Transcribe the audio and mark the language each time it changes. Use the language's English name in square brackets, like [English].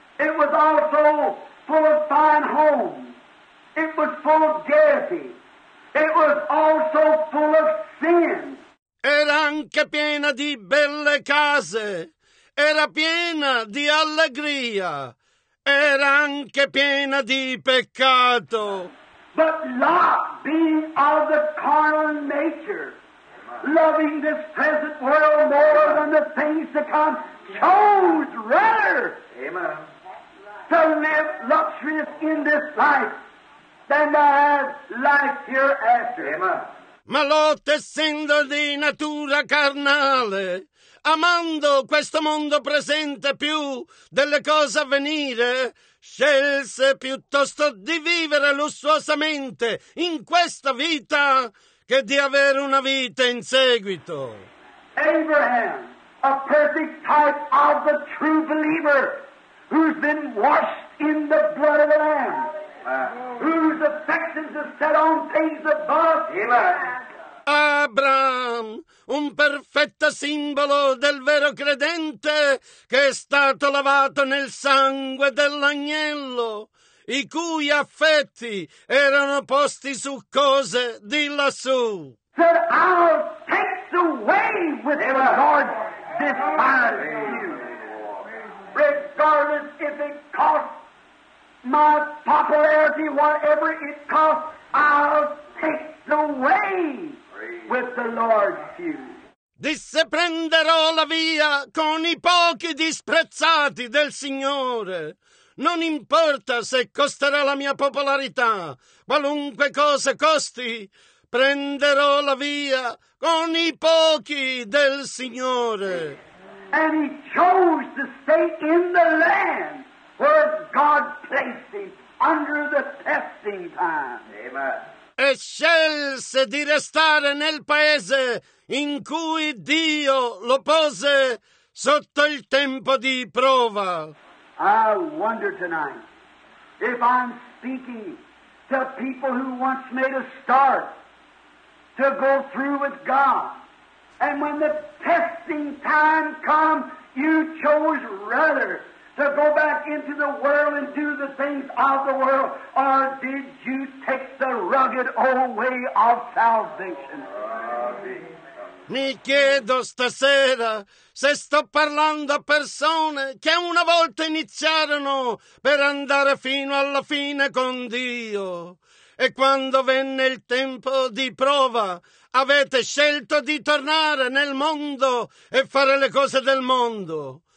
[English] It was also full of fine homes. It was full of gaiety. It was also full of sin. [Italian] Era anche piena di belle case. Era piena di allegria. Era anche piena di peccato. [English] But Lot, being of the carnal nature, loving this present world more than the things to come, chose rather, amen, to live luxurious in this life than to have life hereafter. Amen. [Italian] Ma Lot, essendo di natura carnale, amando questo mondo presente più delle cose a venire, scelse piuttosto di vivere lussuosamente in questa vita che di avere una vita in seguito. [English] Abraham, a perfect type of the true believer, who's been washed in the blood of the Lamb, whose affections are set on things above. Amen. [Italian] Abraham, un perfetto simbolo del vero credente che è stato lavato nel sangue dell'agnello, i cui affetti erano posti su cose di lassù. [English] Said, I'll take the way with the Lord despise you. Regardless if it costs my popularity, whatever it costs, I'll take the way with the Lord's view. [Italian] Disse, prenderò la via con i pochi disprezzati del Signore. Non importa se costerà la mia popolarità, qualunque cosa costi, prenderò la via con i pochi del Signore. [English] And he chose to stay in the land where God placed him under the testing time. Amen. [Italian] E scelse di restare nel paese in cui Dio lo pose sotto il tempo di prova. [English] I wonder tonight if I'm speaking to people who once made a start to go through with God. And when the testing time comes, you chose rather to go back into the world and do the things of the world, or did you take the rugged old way of salvation? [Italian] Mi chiedo stasera se sto parlando a persone che una volta iniziarono per andare fino alla fine con Dio. E quando venne il tempo di prova, avete scelto di tornare nel mondo e fare le cose del mondo.